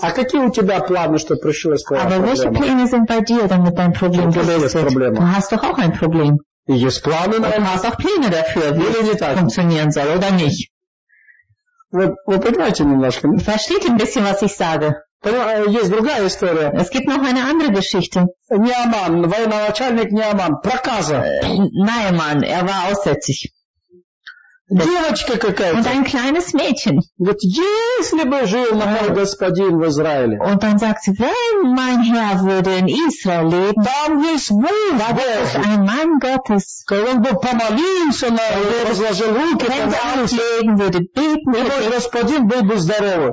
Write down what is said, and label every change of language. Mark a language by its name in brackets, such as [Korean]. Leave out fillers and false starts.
[Russian] А какие у тебя планы, что пришлось твоя проблема? [German] Aber welche Pläne sind bei dir, damit dein Problem existiert? Du hast doch auch ein Problem. [Russian] Есть планы, [German] und du hast auch Pläne dafür, wie es funktionieren soll oder nicht. [Russian] Вы понимаете немножко? [German] Versteht ein bisschen, was ich sage. [Russian] Есть другая история. [German] Es gibt noch eine andere Geschichte. [Russian] Неаман, военачальник Неаман, проказа. [German] Наэман, war aussätzig. [Russian] Девочка какая-то. [German] Und ein kleines Mädchen. [Russian] Говорит, если бы жил мой господин в Израиле. [German] Und dann sagt sie, wenn mein Herr würde in Israel leben, dann ist Bog, Bog. Ein Mann Gottes. [Russian] Он бы помолился на его, возложил руки, [German] wenn würde beten, [Russian] и мой господин был бы здоровый.